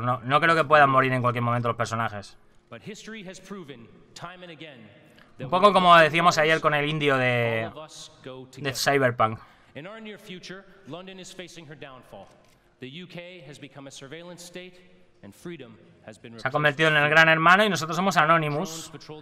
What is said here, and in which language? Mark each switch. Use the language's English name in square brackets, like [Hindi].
[Spanish] No creo que puedan morir en cualquier momento los personajes. Un poco como decíamos ayer con el indio de Cyberpunk. [English] In our near future, London is facing her downfall. The UK has become a surveillance state and freedom has been [Spanish] Se ha convertido en el gran hermano y nosotros somos Anonymous.